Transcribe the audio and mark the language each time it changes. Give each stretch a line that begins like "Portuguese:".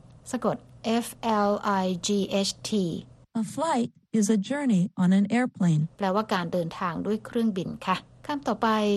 Thai: สะกด flight
English: a flight is a journey on an airplane
Thai: แปลว่าการเดินทางด้วยเครื่องบินค่ะคำต่อไป